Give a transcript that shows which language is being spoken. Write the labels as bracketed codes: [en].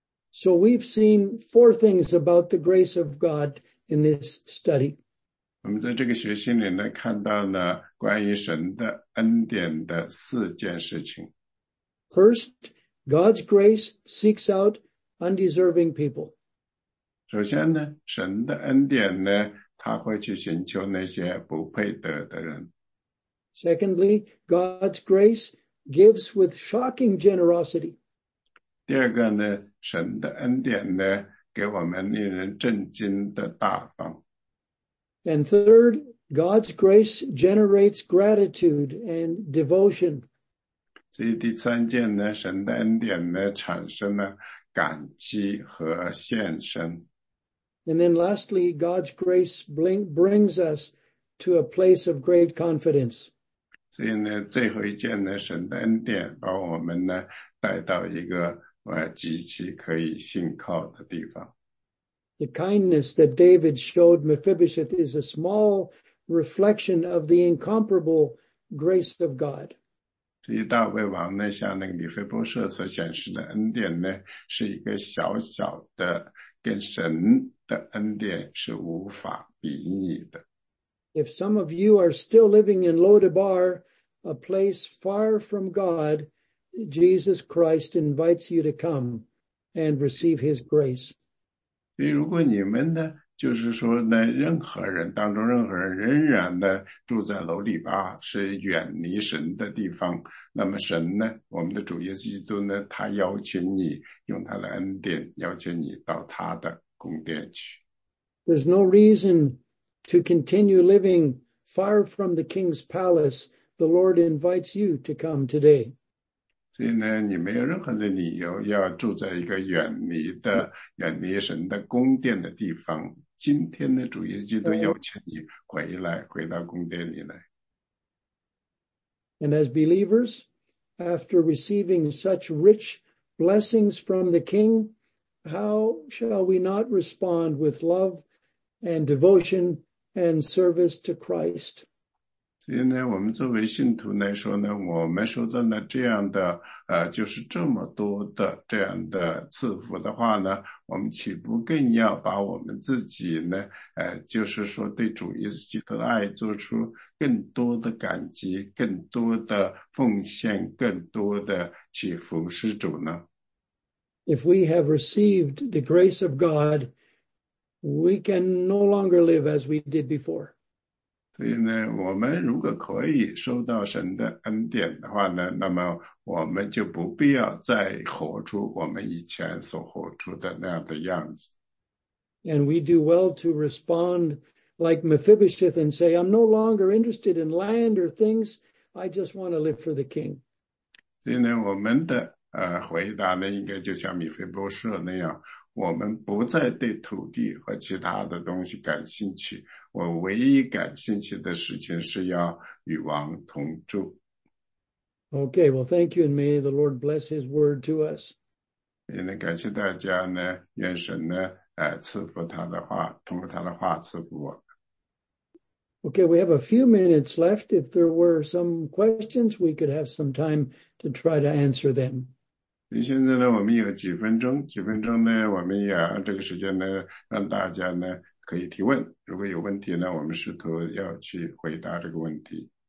[en] So we've seen four things about the grace of God in this study. [zh] 我们在这个学习里呢，看到呢关于神的恩典的四件事情。 [en] First, God's grace seeks out undeserving people. [zh] 首先呢，神的恩典呢，他会去寻求那些不配得的人。 [en] Secondly, God's grace gives with shocking generosity. [zh] 第二个呢，神的恩典呢，给我们令人震惊的大方。 [en] And third, God's grace generates gratitude and devotion. [zh] 所以第三件呢，神的恩典呢，产生了感激和献身。 [en] And then lastly, God's grace brings us to a place of great confidence. [zh] 所以呢，最后一件呢，神的恩典把我们呢，带到一个极其可以信靠的地方。 [en] The kindness that David showed Mephibosheth is a small reflection of the incomparable grace of God. [zh] 所以大卫王呢，向那个米非波设所显示的恩典呢，是一个小小的，跟神的恩典是无法比拟的。 [en] If some of you are still living in Lodabar, a place far from God, Jesus Christ invites you to come and receive his grace. [zh] 所以如果你们呢，就是说呢，任何人当中任何人仍然呢住在楼里吧，是远离神的地方，那么神呢，我们的主耶稣基督呢，他邀请你用他的恩典邀请你到他的宫殿去。 [en] There's no reason to continue living far from the king's palace. The Lord invites you to come today. [zh] 所以呢，你没有任何的理由要住在一个远离神的宫殿的地方。今天呢，主耶稣基督邀请你回到宫殿里来。 [en] And as believers, after receiving such rich blessings from the King, how shall we not respond with love and devotion and service to Christ? [zh] 所以呢，我们作为信徒来说呢，我们收到了这样的就是这么多的这样的赐福的话呢，我们岂不更要把我们自己呢就是说对主耶稣基督的爱做出更多的感激，更多的奉献，更多的去服侍主呢？ [en] If we have received the grace of God, we can no longer live as we did before. [zh] 所以呢，我们如果可以收到神的恩典的话呢，那么我们就不必要再活出我们以前所活出的那样的样子。 [en] And we do well to respond like Mephibosheth and say, I'm no longer interested in land or things. I just want to live for the king. [zh] 所以呢，我们的回答呢，应该就像米菲波舍那样，我们不再对土地和其他的东西感兴趣。我唯一感兴趣的事情是要与王同住。 [en] Okay, well, thank you, and may the Lord bless His word to us. [zh] 所以呢，感谢大家呢，愿神呢，赐福他的话，通过他的话赐福我。 [en] Okay, we have a few minutes left. If there were some questions, we could have some time to try to answer them. [zh] 现在呢，我们有几分钟，几分钟呢，我们也这个时间呢，让大家呢可以提问。如果有问题呢，我们试图要去回答这个问题。